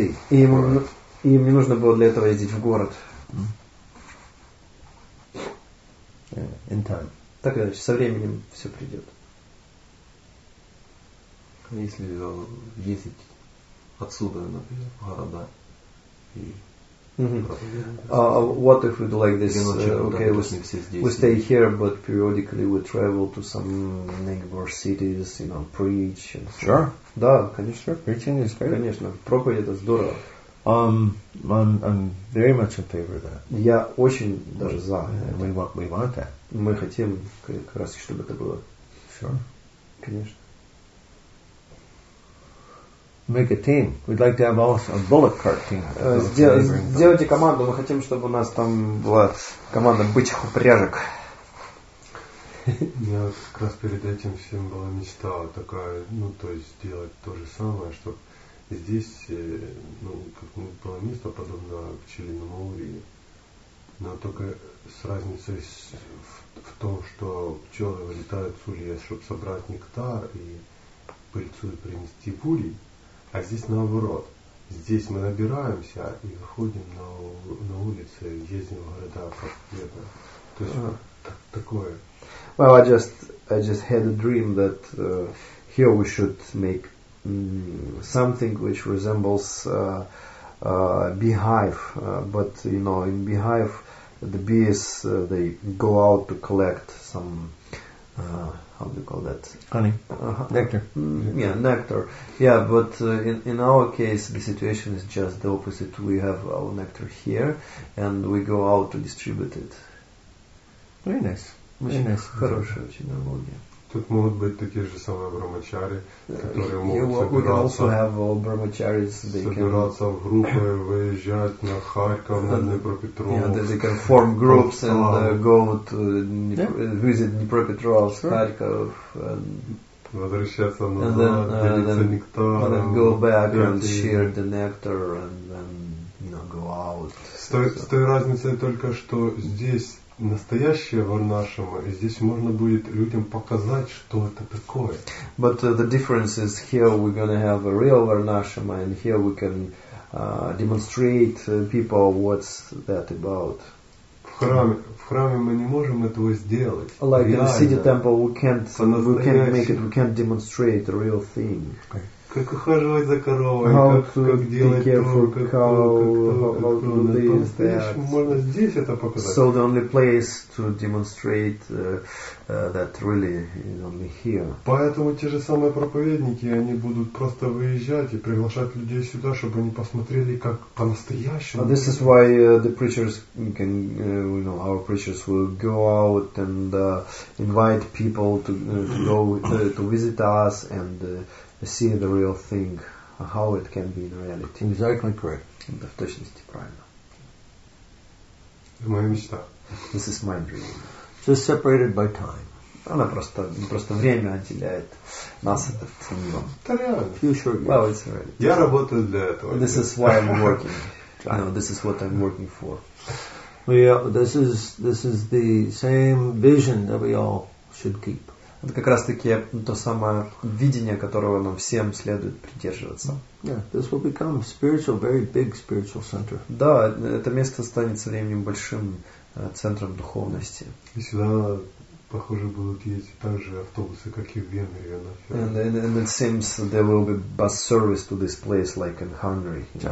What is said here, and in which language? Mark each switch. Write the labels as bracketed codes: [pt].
[ru] И не нужно было для этого ездить в город. [en] In time. [ru] Так или иначе, со временем все придет. Если ездить отсюда, например, в города и... [en] What if we'd like this? Okay, we stay here, but periodically we travel to some neighbor cities, you know, preach. And so. Sure. [ru] Да, конечно. [en] Preaching is great. [ru] Конечно, проповедь это здорово. [en] I'm very much in favor of that. [ru] Я очень даже за. [en] We want that. [ru] Мы хотим как раз чтобы это было. [en] Sure. [ru] Конечно. [en] Make a team. We'd like to have also a bullet cart team. [ru] Сделайте команду. Мы хотим, чтобы у нас там была команда бычьих упряжек. У меня как раз перед этим всем была мечта такая, ну, то есть сделать то же самое, чтобы здесь, ну, как было место подобное пчелиному улью. Но только с разницей в том, что пчелы вылетают с улья, чтобы собрать нектар и пыльцу и принести в улей. А здесь наоборот. Здесь мы набираемся и выходим на улицу, ездим в города, как где-то. То есть такое. [en] Well, I just had a dream that here we should make something which resembles beehive, but you know, in beehive the bees they go out to collect some. How do you call that? Honey. Uh-huh. Nectar. Mm, yeah, nectar. Yeah, but in our case, the situation is just the opposite. We have our nectar here, and we go out to distribute it. Very nice. [ru] Очень [en] nice. [ru] Хорошая очень аналогия. Тут могут быть такие же самые брахмачари, которые могут собираться в группы, выезжать на Харьков, на Днепропетровск. [en] Yeah, they can form groups and go to visit Днепропетровск, sure. Харьков. [ru] Возвращаться назад, делиться нектаром. [en] And then go back and share the nectar and then, you know, go out. [ru] С той разницей только, что здесь настоящее варнашрама, и здесь можно будет людям показать, что это такое. [en] But the difference is here we're gonna have a real varnashrama, and here we can demonstrate people what's that about. [ru] В храме мы не можем этого сделать. [en] Like [ru] реально. [en] In a city temple we can't make it, we can't demonstrate a real thing. [ru] Как ухаживать за коровой, как делать то, можно здесь это показать. [en] So the only place to demonstrate that really is only here. [ru] Поэтому те же самые проповедники, они будут просто выезжать и приглашать людей сюда, чтобы они посмотрели, как по-настоящему. [en] This is why the preachers can, you know, our preachers will go out and invite people to go to visit us and see the real thing, how it can be in reality. Exactly correct. [ru] Да, в точности правильно. Это моя мечта. [en] This is my dream. Just separated by time. [ru] Она просто время отделяет нас от этого. Это реально. [en] Future. Well, it's reality. [ru] Я работаю для этого. [en] This is why I'm working. No, this is what I'm working for. This is the same vision that we all should keep. [ru] Это как раз-таки то самое видение, которого нам всем следует придерживаться. [en] Yeah, this will become spiritual, very big spiritual center. [ru] Да, это место станет со временем большим центром духовности. И сюда, похоже, будут ездить так же автобусы, как и в Венгрии. [en] And it seems there will be bus service to this place, like in Hungary.